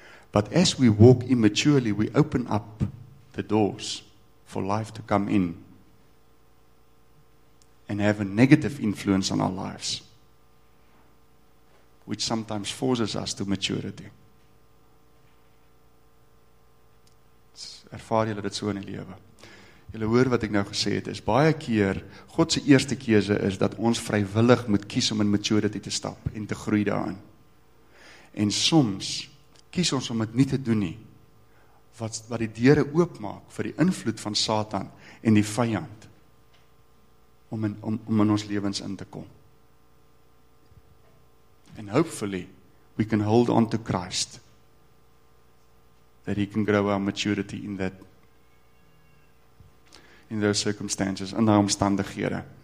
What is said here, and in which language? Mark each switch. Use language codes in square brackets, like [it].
[en] But as we walk immaturely, we open up the doors for life to come in and have a negative influence on our lives, which sometimes forces us to maturity. [af] Ervaar julle dit so in die lewe? Julle hoor wat ek nou gesê het, is baie keer, God se eerste keuse is dat ons vrywillig moet kies om in maturity te stap en te groei daarin. En soms kies ons om dit nie te doen nie, wat die deure oopmaak vir die invloed van Satan en die vyand om in ons lewens in te kom. [en] And hopefully we can hold on to Christ that he can grow our maturity in those circumstances, [af] in daai omstandighede.